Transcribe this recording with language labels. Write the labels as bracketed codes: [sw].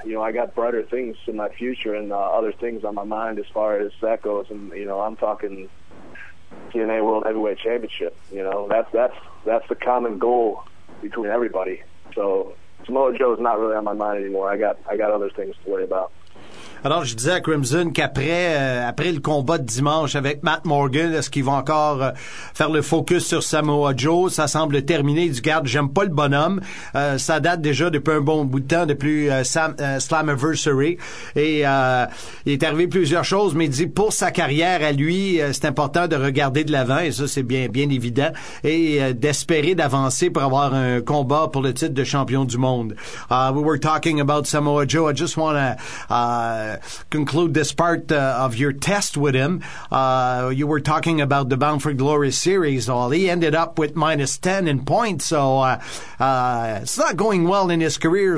[en] You know, I got brighter things in my future and other things on my mind as far as that goes. And you know, I'm talking TNA World Heavyweight Championship. You know, that's the common goal between everybody. So Samoa Joe's not really on my mind anymore. I got other things to worry about. [fr] Alors, je disais à Crimson qu'après après le combat de dimanche avec Matt Morgan, est-ce qu'il va encore faire le focus sur Samoa Joe? Ça semble terminé. Il dit, garde, j'aime pas le bonhomme. Ça date déjà depuis un bon bout de temps, depuis Slammiversary. Et il est arrivé plusieurs choses, mais il dit, pour sa carrière à lui, c'est important de regarder de l'avant, et ça, c'est bien, bien évident, et d'espérer d'avancer pour avoir un combat pour le titre de champion du monde. [en] We were talking about Samoa Joe. I just want to... conclude this part of your test with him. You were talking about the Bound for Glory series. All he ended up with -10 in points, so it's not going well in his career.